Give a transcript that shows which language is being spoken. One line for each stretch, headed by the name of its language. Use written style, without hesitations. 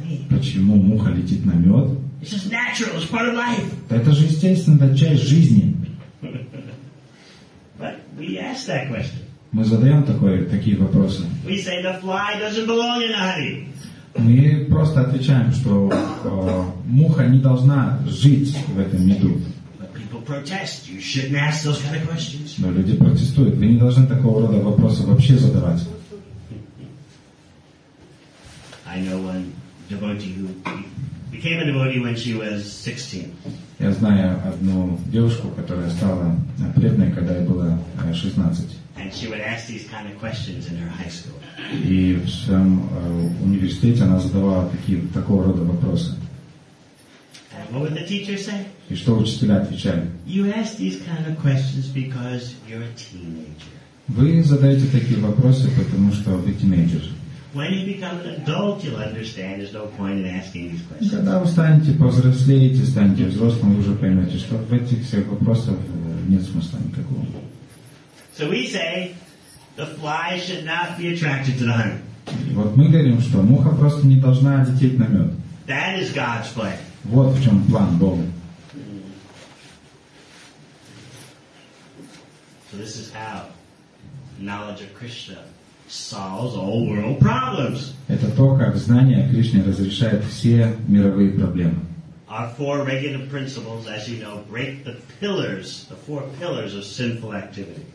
Russian: Почему муха летит на мед?
English: It's just natural. It's part of life.
Russian: Да это же естественно, это часть жизни.
English: But we ask that question.
Russian: Мы задаем такие вопросы.
English: We say the fly doesn't belong in the honey.
Russian: Мы просто отвечаем, что муха не должна жить в этом меду.
English: But people protest. You shouldn't ask those kind of questions.
Russian: Но люди протестуют. Вы не должны такого рода вопросы вообще задавать.
English: I know one devotee who became a devotee when she was 16.
Russian: Я знаю одну девушку, которая стала преданной, когда ей было 16.
English: And she would ask these kind of questions in her high school.
Russian: И в своем университете она задавала такого рода вопросы.
English: And what would the teacher say?
Russian: И что учителя отвечали?
English: You ask these kind of questions because you're a teenager.
Russian: Вы задаете такие вопросы, потому что вы тинейджер.
English: When you become an adult, you'll understand there's no point in asking these questions.
Russian: Когда вы станете повзрослеете, станете взрослым, вы уже поймете, что в этих всех вопросах нет смысла никакого.
English: So we say the fly should not be attracted to the honey.
Russian: Вот мы говорим, что муха просто не должна лететь на мед.
English: That is God's plan.
Russian: Вот в чем план Бога.
English: So this is how knowledge of Krishna solves all world problems.
Russian: Это то, как знание Кришны разрешает все мировые проблемы.
English: Our four regulative principles, as you know, break the four pillars of sinful activity.